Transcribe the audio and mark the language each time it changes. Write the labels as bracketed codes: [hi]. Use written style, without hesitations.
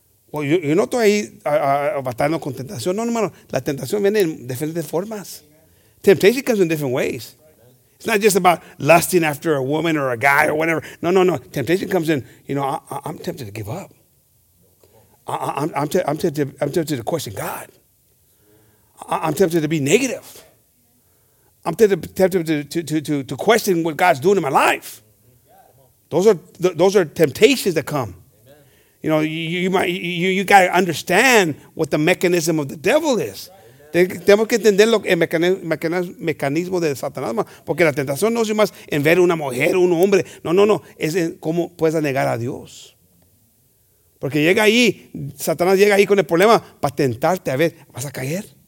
[es] Well, yo no estoy ahí batallando con tentación. No, hermano. La tentación viene en diferentes formas. [en] Temptation comes in different ways. It's not just about lusting after a woman or a guy or whatever. No, no, no. Temptation comes in, you know, I'm tempted to give up. I'm tempted to question God. I'm tempted to be negative. I'm tempted to question what God's doing in my life. Those are temptations that come. Amen. You know, you got to understand what the mechanism of the devil is. [es] Tenemos que entender lo el mecanismo de Satanás, porque la tentación no es más en ver una mujer, un hombre. No. Es en cómo puedes negar a Dios. Porque llega ahí, Satanás llega ahí con el problema para tentarte. A ver, ¿vas a caer?